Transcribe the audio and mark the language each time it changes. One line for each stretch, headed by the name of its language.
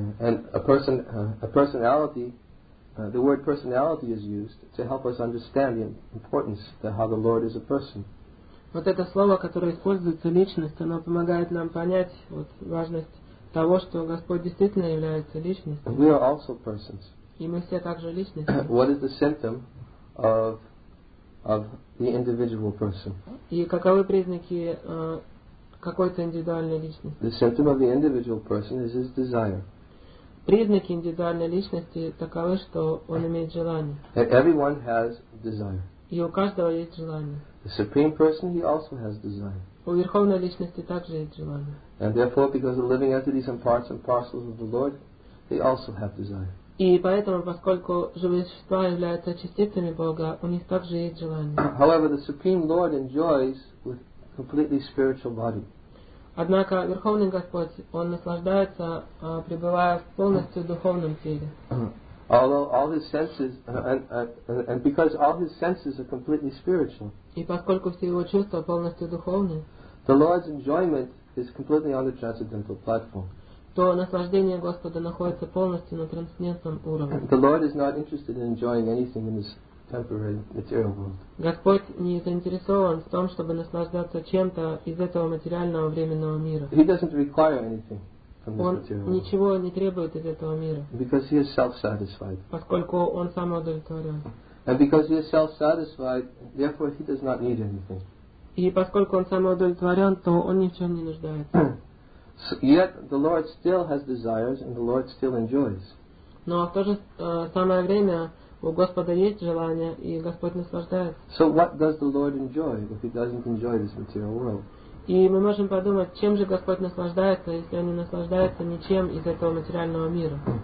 English: The word personality is used to help us understand the importance of how the Lord is a person.
Russian: Вот это слово, которое используется, личность, оно помогает нам понять вот важность того, что Господь действительно является личностью.
English: We are also persons.
Russian: И мы все также личности.
English: What is the symptom of the individual person?
Russian: И каковы признаки какой-то индивидуальной личности?
English: The symptom of the individual person is his desire.
Russian: Признаки индивидуальной личности таковы, что он имеет желание.
English: And everyone has desire.
Russian: И у каждого есть желание.
English: The Supreme Person, he also has desire.
Russian: У Верховной Личности также есть желание.
English: And therefore, because the living entities are parts and parcels of the Lord, they also have desire.
Russian: И поэтому, поскольку живые существа являются частицами Бога, у них также есть желание.
English: However, the Supreme Lord enjoys with completely spiritual body.
Russian: Однако Верховный Господь, он наслаждается, пребывая в полностью духовном теле.
English: Although all his senses and because all his senses are completely spiritual,
Russian: и поскольку все его чувства полностью духовные,
English: the Lord's enjoyment is completely on the transcendental platform.
Russian: То наслаждение Господа находится полностью на трансцендентном уровне.
English: The Lord is not interested in enjoying anything in this temporary material world.
Russian: Господь не заинтересован в том, чтобы наслаждаться чем-то из этого материального временного мира.
English: He doesn't require anything.
Russian: Он ничего не требует из этого мира.
English: Because he is self-satisfied.
Russian: Поскольку он самоудовлетворен.
English: And because he is self-satisfied, therefore he does not need anything.
Russian: И поскольку он самоудовлетворен, то он ни в чем не нуждается.
English: So, yet the Lord still has desires and the Lord still enjoys.
Russian: Но в то же самое время у Господа есть желание и Господь наслаждается.
English: So what does the Lord enjoy if he doesn't enjoy this material world?
Russian: И мы можем подумать, чем же Господь наслаждается, если Он не наслаждается ничем из этого материального мира.